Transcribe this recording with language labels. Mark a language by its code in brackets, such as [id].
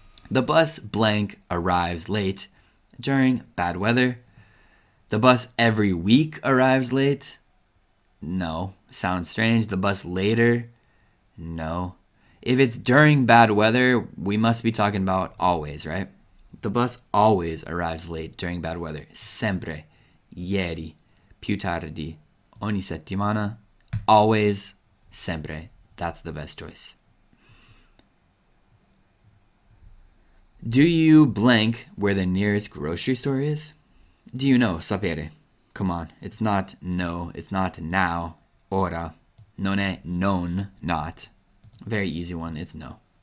[en] The bus blank arrives late during bad weather. The bus every week arrives late. No, sounds strange. The bus later. No. If it's during bad weather, we must be talking about always, right? The bus always arrives late during bad weather. [it] Sempre, ieri, più tardi, ogni settimana, [en] always, [it] sempre. [en] That's the best choice. Do you blank where the nearest grocery store is? Do you know, sapere? Come on, it's not no, it's not now, [it] ora, non è non, [en] not. Very easy one, it's no.